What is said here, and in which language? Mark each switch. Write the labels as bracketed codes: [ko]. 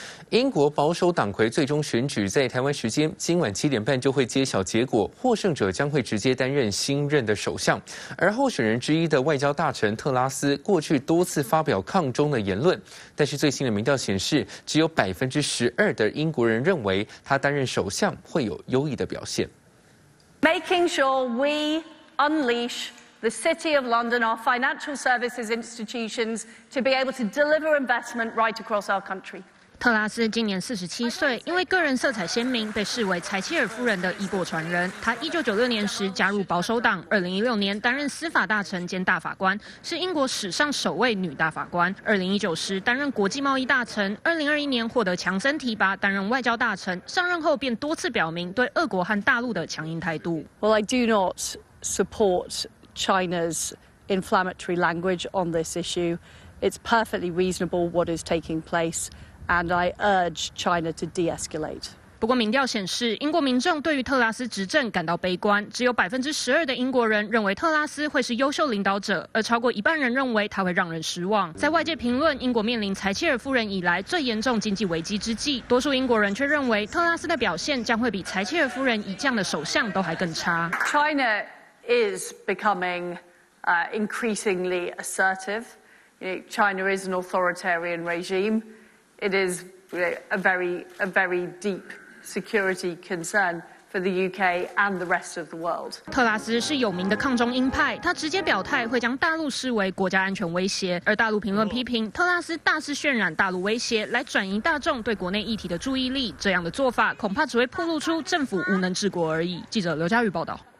[zh] 英国保守党魁最终选举在台湾时间今晚7点半就会揭晓结果，获胜者将会直接担任新任的首相。而候选人之一的外交大臣特拉斯过去多次发表抗中的言论，但是最新的民调显示，只有12%的英国人认为他担任首相会有优异的表现。 [en] Making sure we unleash the City of London, our financial services institutions, to be able to deliver investment right across our country. [zh] 特拉斯今年47岁，因为个人色彩鲜明，被视为柴契尔夫人的衣钵传人。他1996年时加入保守党，2016年担任司法大臣兼大法官，是英国史上首位女大法官。 2019时担任国际贸易大臣，2021年获得强森提拔担任外交大臣。上任后便多次表明对俄国和大陆的强硬态度。 [en] Well, I do not support China's inflammatory language on this issue. It's perfectly reasonable what is taking place. And I urge China to de-escalate. [zh] 不过民调显示，英国民众对于特拉斯执政感到悲观，只有12%的英国人认为特拉斯会是优秀领导者，而超过一半人认为他会让人失望。在外界评论英国面临柴切尔夫人以来最严重经济危机之际，多数英国人却认为特拉斯的表现将会比柴切尔夫人已降的首相都还更差。 [en] China is becoming increasingly assertive. China is an authoritarian regime. It is a very deep security concern for the UK and the rest of the world. [zh] 特拉斯是有名的抗中鹰派，他直接表态会将大陆视为国家安全威胁，而大陆评论批评特拉斯大肆渲染大陆威胁来转移大众对国内议题的注意力，这样的做法恐怕只会暴露出政府无能治国而已。记者刘嘉宇报道。